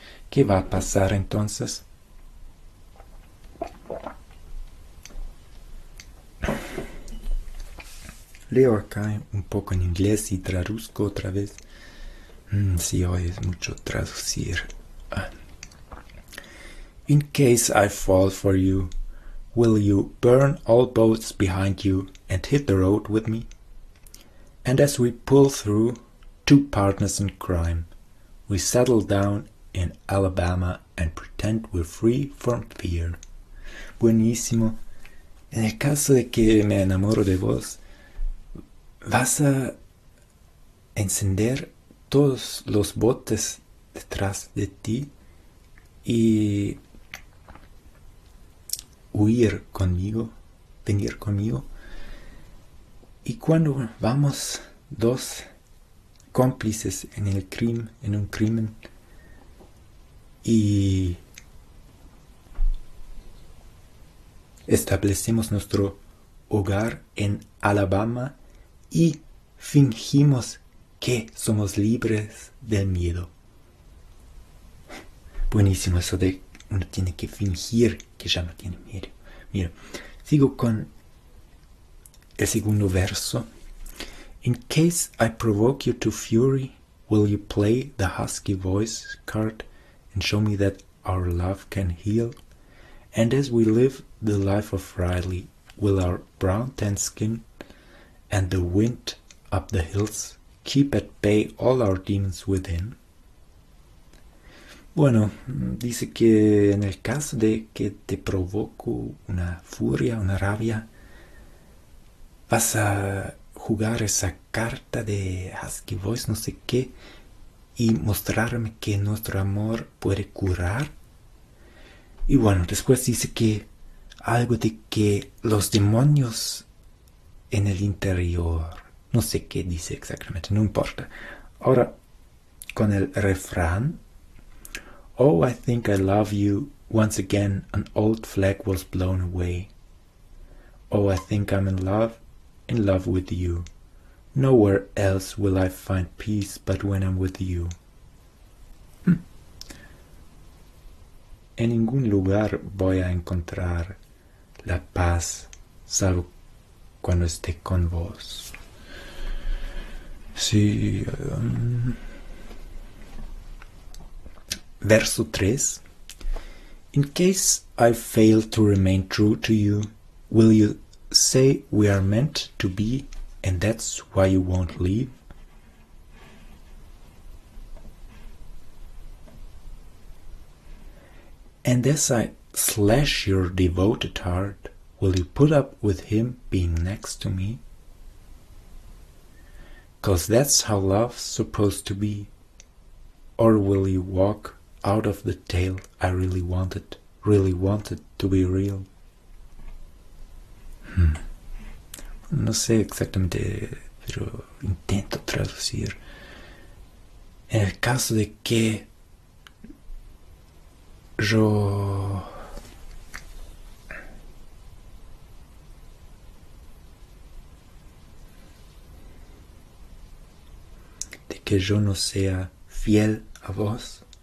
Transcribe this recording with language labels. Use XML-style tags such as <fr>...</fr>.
<es>¿Qué va a pasar entonces? Leo acá un poco en inglés y traduzco otra vez. Sí, hoy es mucho traducir.</es> <en>In case I fall for you, will you burn all boats behind you and hit the road with me? And as we pull through, two partners in crime, we settle down in Alabama and pretend we're free from fear.</en> <es>Buenísimo. En el caso de que me enamoro de vos, vas a encender todos los botes detrás de ti y huir conmigo, venir conmigo. Y cuando vamos dos cómplices en el crimen, en un crimen. Y establecemos nuestro hogar en Alabama y fingimos que somos libres del miedo. Buenísimo eso de uno tiene que fingir que ya no tiene miedo. Mira, sigo con el segundo verso.</es> <en>In case I provoke you to fury, will you play the husky voice card and show me that our love can heal? And as we live the life of Riley, will our brown tan skin and the wind up the hills keep at bay all our demons within?</en> <es>Bueno, dice que en el caso de que te provoco una furia, una rabia, vas a jugar esa carta de Husky Voice, no sé qué, y mostrarme que nuestro amor puede curar. Y bueno, después dice que algo de que los demonios en el interior, no sé qué dice exactamente, no importa. Ahora, con el refrán.</es> <en>Oh, I think I love you. Once again, an old flag was blown away. Oh, I think I'm in love with you. Nowhere else will I find peace but when I'm with you.</en> <es>En ningún lugar voy a encontrar la paz, salvo cuando esté con vos. Sí. Verso 3.</es> <en>In case I fail to remain true to you, will you say we are meant to be and that's why you won't leave? And as I slash your devoted heart, will you put up with him being next to me? 'Cause that's how love's supposed to be. Or will you walk out of the tale I really wanted to be real?</en> <es>No sé exactamente, pero intento traducir. En el caso de que yo no sea fiel a vos,</es>